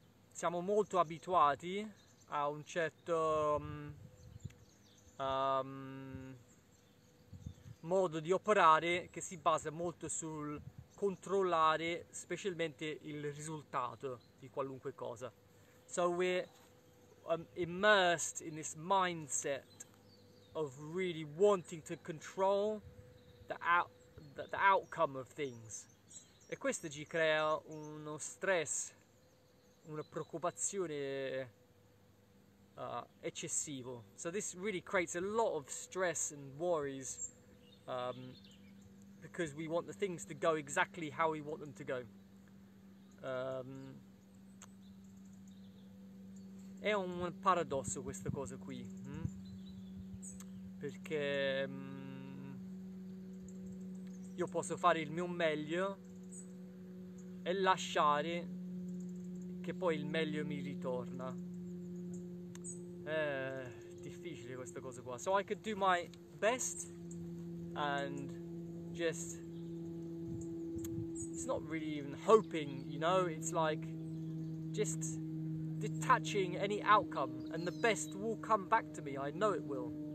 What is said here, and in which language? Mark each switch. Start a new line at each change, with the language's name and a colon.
Italian: Siamo molto abituati a un certo modo di operare che si basa molto sul controllare specialmente il risultato di qualunque cosa.
English: So we're immersed in this mindset of really wanting to control the outcome of things.
Italian: E questo ci crea uno stress, una preoccupazione eccessivo.
English: So this really creates a lot of stress and worries because we want the things to go exactly how we want them to go.
Italian: È un paradosso questa cosa qui, perché io posso fare il mio meglio e lasciare che poi il meglio mi ritorna. È difficile questa cosa qua.
English: So I could do my best and just, it's not really even hoping, you know, it's like just detaching any outcome, and the best will come back to me. I know it will.